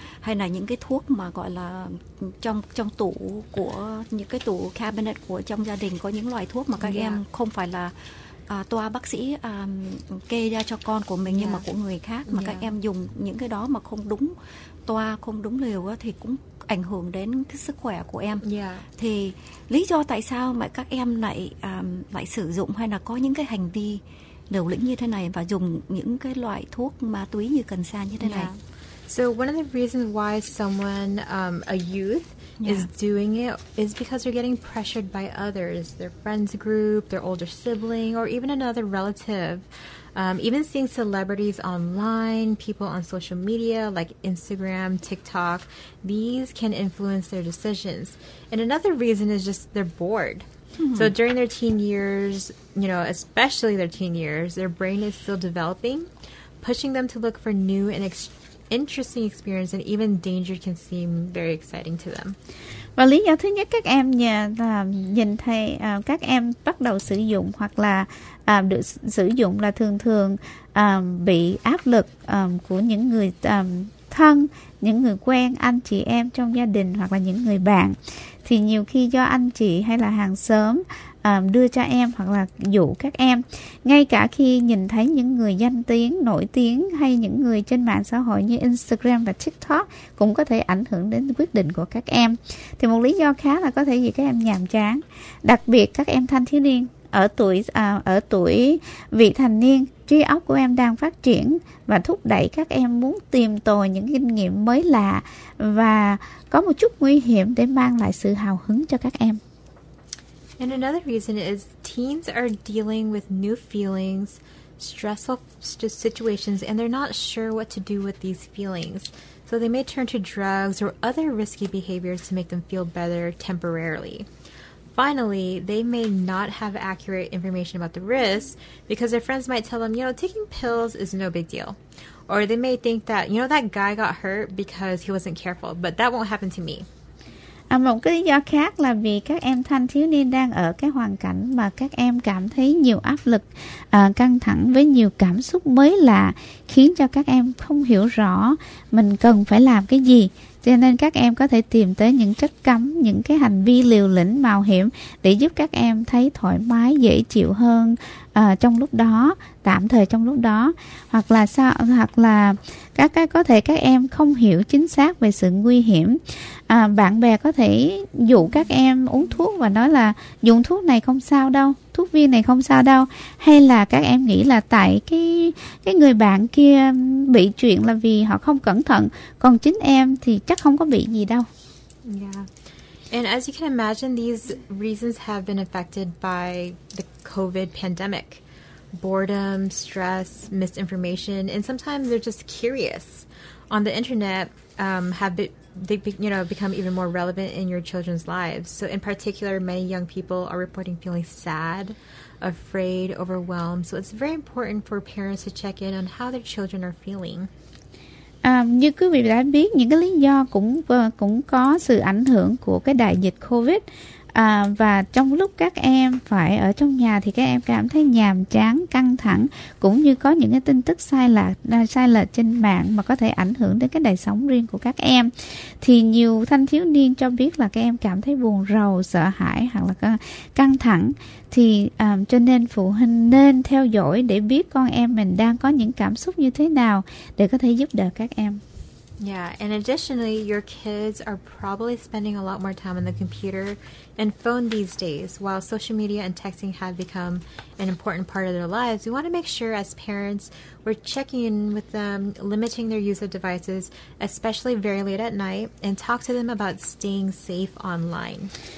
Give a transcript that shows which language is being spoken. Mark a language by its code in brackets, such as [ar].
[vi] Hay là những cái thuốc mà gọi là trong tủ của những cái tủ cabinet của trong gia đình có những loại thuốc mà các em không phải là toa bác sĩ kê ra cho con của mình, nhưng mà của người khác, mà các em dùng những cái đó mà không đúng toa, không đúng liều thì cũng ảnh hưởng đến cái sức khỏe của em. Thì lý do tại sao mà các em lại sử dụng hay là có những cái hành vi liều lĩnh như thế này và dùng những cái loại thuốc ma túy như cần sa như thế này? [en] So one of the reasons why someone a youth is doing it is because they're getting pressured by others, their friends group, their older sibling, or even another relative. Even seeing celebrities online, people on social media like Instagram, TikTok, these can influence their decisions. And another reason is just they're bored. So during their teen years, you know, especially their teen years, their brain is still developing, pushing them to look for new and interesting experience, and even danger can seem very exciting to them. [vi] Và lý do thứ nhất các em nhìn thấy các em bắt đầu sử dụng hoặc là được sử dụng là thường thường bị áp lực của những người thân, những người quen, anh chị em trong gia đình hoặc là những người bạn. Thì nhiều khi do anh chị hay là hàng xóm đưa cho em hoặc là dụ các em. Ngay cả khi nhìn thấy những người danh tiếng, nổi tiếng hay những người trên mạng xã hội như Instagram và TikTok cũng có thể ảnh hưởng đến quyết định của các em. Thì một lý do khác là có thể vì các em nhàm chán. Đặc biệt các em thanh thiếu niên ở tuổi vị thành niên, trí óc của em đang phát triển và thúc đẩy các em muốn tìm tòi những kinh nghiệm mới lạ và có một chút nguy hiểm để mang lại sự hào hứng cho các em. [en] And another reason is teens are dealing with new feelings, stressful situations, and they're not sure what to do with these feelings. So they may turn to drugs or other risky behaviors to make them feel better temporarily. Finally, they may not have accurate information about the risks because their friends might tell them, you know, taking pills is no big deal. Or they may think that, you know, that guy got hurt because he wasn't careful, but that won't happen to me. [vi] Một cái lý do khác là vì các em thanh thiếu niên đang ở cái hoàn cảnh mà các em cảm thấy nhiều áp lực, căng thẳng với nhiều cảm xúc mới lạ, khiến cho các em không hiểu rõ mình cần phải làm cái gì. Cho nên các em có thể tìm tới những chất cấm, những cái hành vi liều lĩnh, mạo hiểm để giúp các em thấy thoải mái, dễ chịu hơn trong lúc đó, tạm thời trong lúc đó. Hoặc là sao, hoặc là các có thể các em không hiểu chính xác về sự nguy hiểm. Bạn bè có thể dụ các em uống thuốc và nói là dùng thuốc này không sao đâu, thuốc viên này không sao đâu. Hay là các em nghĩ là tại cái người bạn kia bị chuyện là vì họ không cẩn thận, còn chính em thì chắc không có bị gì đâu. [en] Yeah. And as you can imagine, these reasons have been affected by the COVID pandemic. Boredom, stress, misinformation, and sometimes they're just curious on the internet become even more relevant in your children's lives. So in particular, many young people are reporting feeling sad, afraid, overwhelmed. So it's very important for parents to check in on how their children are feeling. [vi] Như quý vị đã biết, những cái lý do cũng có sự ảnh hưởng của cái đại dịch COVID. Và trong lúc các em phải ở trong nhà thì các em cảm thấy nhàm chán, căng thẳng, cũng như có những cái tin tức sai lệch trên mạng mà có thể ảnh hưởng đến cái đời sống riêng của các em. Thì nhiều thanh thiếu niên cho biết là các em cảm thấy buồn rầu, sợ hãi hoặc là căng thẳng. Thì cho nên phụ huynh nên theo dõi để biết con em mình đang có những cảm xúc như thế nào để có thể giúp đỡ các em. [en] Yeah, and additionally, your kids are probably spending a lot more time on the computer and phone these days. While social media and texting have become an important part of their lives, we want to make sure as parents we're checking in with them, limiting their use of devices, especially very late at night, and talk to them about staying safe online.